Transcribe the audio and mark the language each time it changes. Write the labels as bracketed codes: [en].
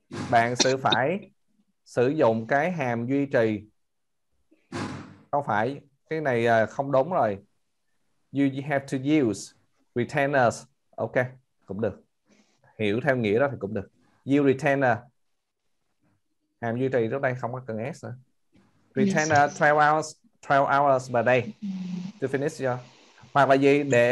[vi] Bạn sẽ phải sử dụng cái hàm duy trì. Không phải, cái này không đúng rồi. [en] You have to use retainers. [vi] Ok, cũng được. Hiểu theo nghĩa đó thì cũng được. [en] You retainer. [vi] Hàm duy trì trước đây không có cần S nữa. [en] Retainer 12 hours per day to finish your. [vi] Hoặc là gì?